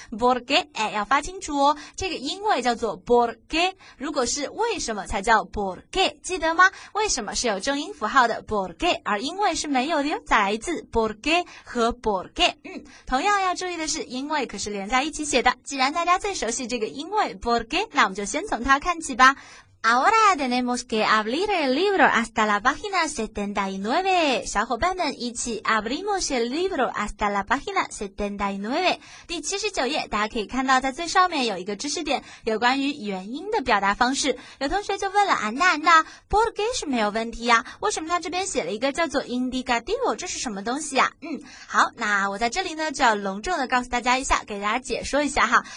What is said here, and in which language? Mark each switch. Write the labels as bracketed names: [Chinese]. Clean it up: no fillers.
[Chinese] porque， 哎，要发清楚哦。这个因为叫做 porque， 如果是为什么才叫 porque， 记得吗？为什么是有重音符号的 porque， 而因为是没有的哟。再来一次 porque 和 porque， 同样要注意的是，因为可是连在一起写的。既然大家最熟悉这个因为 porque， 那我们就先从它看起吧。 [Spanish] Ahora tenemos que abrir el libro hasta la página 79. [Chinese] 小伙伴们一起 abrimos el libro hasta la página 79. 第79页，大家可以看到在最上面有一个知识点，有关于原因的表达方式。有同学就问了，啊，那 ¿por qué 是没有问题啊？为什么他这边写了一个叫做 indicativo， 这是什么东西啊？好，那我在这里呢就要隆重的告诉大家一下，给大家解说一下哈。